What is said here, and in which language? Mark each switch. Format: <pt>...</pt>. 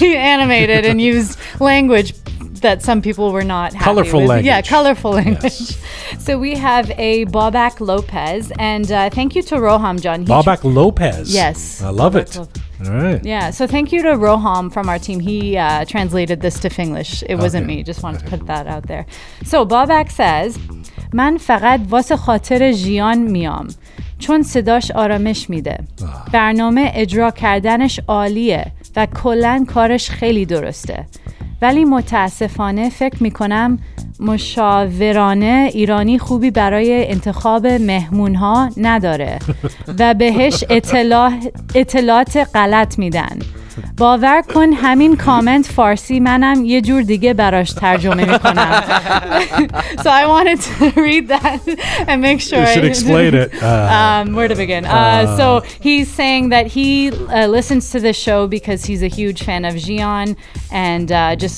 <en>Animated and used language that some people were not happy colorful with. Language. Yeah, colorful language. Yes. So we have a Babak Lopez, and thank you to Roham, John. Babak Lopez. Yes. I love Babak it. Lopez. All right. Yeah, so thank you to Roham from our team. He translated this to Finglish. It wasn't me. Just wanted to put that out there. So Babak says,</en> <fa>من فقط واسه خاطر جیان میام چون صداش آرامش میده. برنامه اجرا کردنش عالیه و کلن کارش خیلی درسته. ولی متاسفانه فکر میکنم مشاورانه ایرانی خوبی برای انتخاب مهمونها نداره و بهش اطلاعات غلط میدن. باور کن همین کامنت فارسی منم یه جور دیگه براش ترجمه میکنم.</fa> <en>So I wanted to read that and make sure you should explain it. Where to begin? So he's saying that he listens to the show because he's a huge fan of Jian and just</en>